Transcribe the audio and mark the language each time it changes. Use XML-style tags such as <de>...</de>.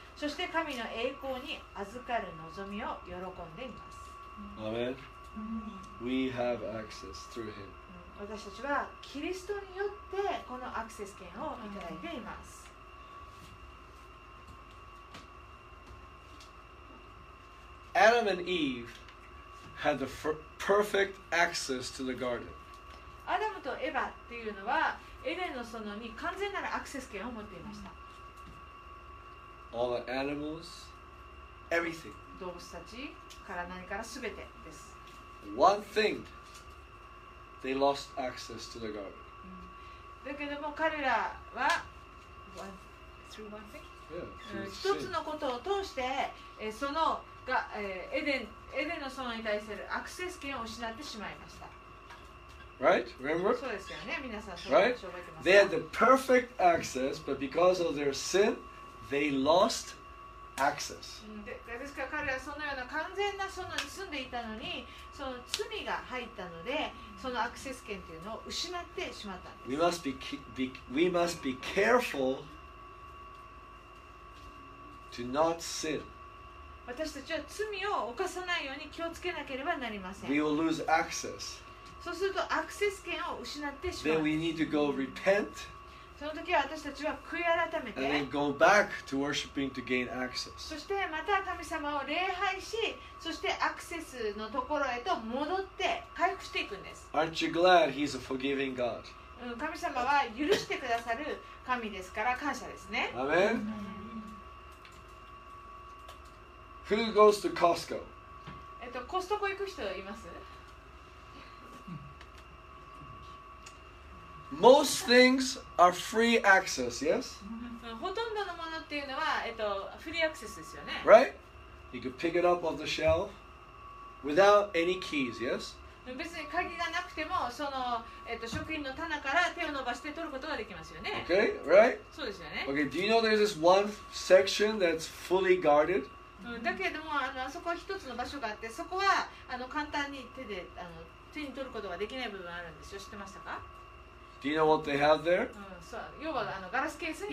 <ja>そして神の栄光に預かる望みを喜んでいます。アメン。</ja> <en>We have access through him.</en> <ja>私たちはキリストによってこのアクセス権をいただいています。</ja> <en>Adam and Eve had the perfect access to the garden.</en> <ja>Adam and Eve っていうのはエデンの園に完全なるアクセス権を持っていました。</ja> <en>All the animals, everything.</en> <ja>動物たちから何からすべてです。</ja> <en>One thing, they lost access to the garden.</en> <ja>だけども彼らは</ja> <en>through one thing.</en> <ja>一つのことを通してそのがエデンの園に対するアクセス権を失ってしまいました。</ja> <en>Right? Remember?</en> <ja>そうですよね。皆さん、</ja> <en>Right? They had the perfect access, but because of their sin, they lost access.</en> <ja>ですから彼らはそのような完全な園に住んでいたのに、その罪が入ったので、そのアクセス権というのを失ってしまったんです。</ja> <en>We must be careful to not sin.</en> <ja>私たちは罪を犯さないように気をつけなければなりません。</ja> <en>We will lose access.</en> <ja>そうするとアクセス権を失ってしまう。</ja> <en>Then we need to go repent.</en> <ja>その時は私たちは悔い改めて。</ja> <en>And then go back to worshiping to gain access.</en> <ja>そしてまた神様を礼拝し、そしてアクセスのところへと戻って回復していくんです。</ja> <en>Aren't you glad He's a forgiving God?</en> <ja>神様は許してくださる神ですから感謝ですね。</ja> <en>Amen. Who goes to Costco?</en> <ja>コストコ行く人います？</ja> <en>Most things are free access, yes?</en> <ja>ほとんどのものっていうのは、フリーアクセスですよね。</ja> <en>Right? You can pick it up off the shelf without any keys, yes?</en> <ja>別に鍵がなくても、その、職員の棚から手を伸ばして取ることができますよね。</ja> <en>Okay, right?</en> <ja>そうですよね。</ja> <en>Okay, do you know there's this one section that's fully guarded?</en> <ja>だけれども、あそこは一つの場所があって、そこは簡単に手で手に取ることができない部分があるんですよ。知ってましたか？</ja> <en>Do you know what they have there?</en> <ja>そう、要はガラスケースに</ja>